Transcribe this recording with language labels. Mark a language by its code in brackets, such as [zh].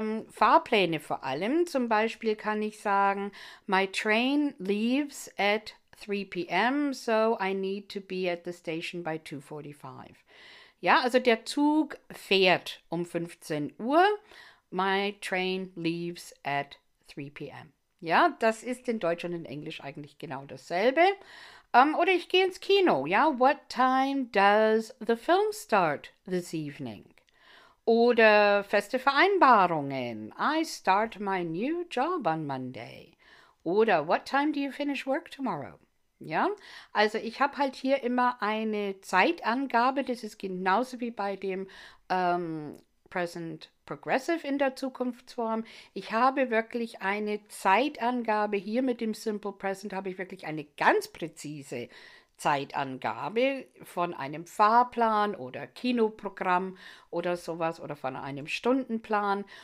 [de] Fahrpläne vor allem. Zum Beispiel kann ich sagen, [en] My train leaves at 3 p.m., so I need to be at the station by 2:45. [de] Ja, also der Zug fährt um 15 Uhr. [en] My train leaves at 3 p.m. [de] Ja, das ist in Deutsch und in Englisch eigentlich genau dasselbe. Oder ich gehe ins Kino. Ja, [en] What time does the film start this evening? [de] Oder feste Vereinbarungen. [en] I start my new job on Monday. [de] Oder [en] What time do you finish work tomorrow? [de] Ja, also ich habe halt hier immer eine Zeitangabe. Das ist genauso wie bei dem Present Progressive in der Zukunftsform. Ich habe wirklich eine Zeitangabe. Hier mit dem Simple Present habe ich wirklich eine ganz präzise Zeitangabe von einem Fahrplan oder Kinoprogramm oder sowas oder von einem Stundenplan.